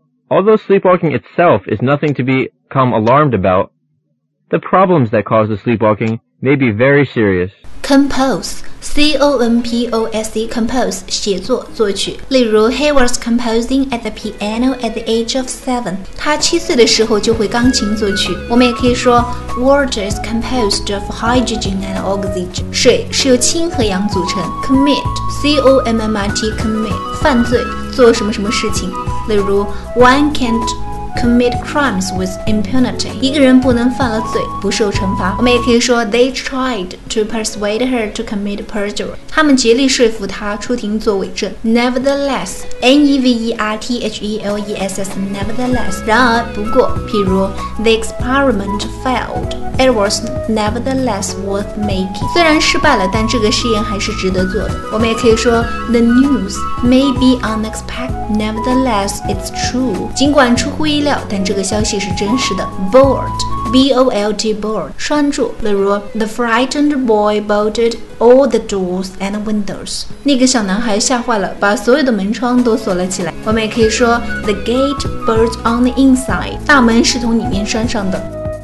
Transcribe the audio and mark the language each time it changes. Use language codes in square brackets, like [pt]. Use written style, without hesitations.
[en] Although sleepwalking itself is nothing to become alarmed about, the problems that cause the sleepwalking may be very serious. Compose, C-O-M-P-O-S-E, compose, [zh] 写作作曲。例如 [en] he was composing at the piano at the age of 7. [zh] 他七岁的时候就会钢琴作曲。我们也可以说 [en] water is composed of hydrogen and oxygen. [zh] 水是由氢和氧组成。 [en] Commit, C-O-M-M-I-T, commit, [zh] 犯罪做什么什么事情。例如 [en] one can'tCommit crimes with impunity. [zh] 一个人不能犯了罪不受惩罚。我们也可以说 [en] They tried to persuade her to commit perjury. [zh] 他们竭力说服她出庭作伪证。 [en] Nevertheless, N-E-V-E-R-T-H-E-L-E-S-S, nevertheless. [zh] 然而不过譬如 [en] The experiment failed. It was nevertheless worth making. [zh] 虽然失败了但这个试验还是值得做的。我们也可以说 [en] The news may be unexpected. Nevertheless, it's true. [zh] 尽管出乎意料，但这个消息是真实的。 [en] Bolt, B-O-L-T, bolt, [zh] 拴住。例如 [en] ，The frightened boy bolted all the doors and windows. [zh] 那个小男孩吓坏了，把所有的门窗都锁了起来。我们也可以说 ， [en] The gate bolts on the inside. [zh] 大门是从里面拴上的。